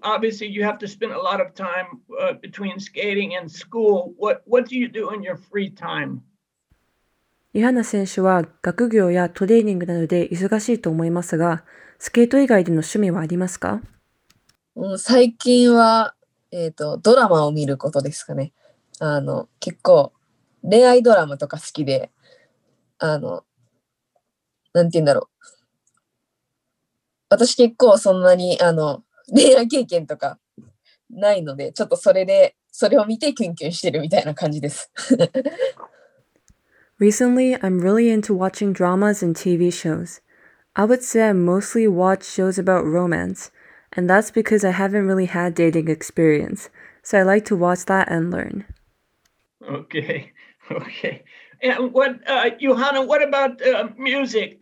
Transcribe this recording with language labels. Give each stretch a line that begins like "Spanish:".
English: Obviously, you have to spend a lot of time between skating and school. What do you do in your free time?
Japanese: ユハナ選手は学業やトレーニングなどで忙しいと思いますが、スケート以外での趣味はありますか？最近は、ドラマを見ることですかね。結構恋愛ドラマとか好きで、なんて言うんだろう。私結構そんなに恋愛経験とかないのでちょっとそれを見てキュンキュンしてるみたいな感じです。
English: Recently, I'm really into watching dramas and TV shows. I would say I mostly watch shows about romance, and that's because I haven't really had dating experience, so I like to watch that and learn. Okay. And what, Johanna, what about music?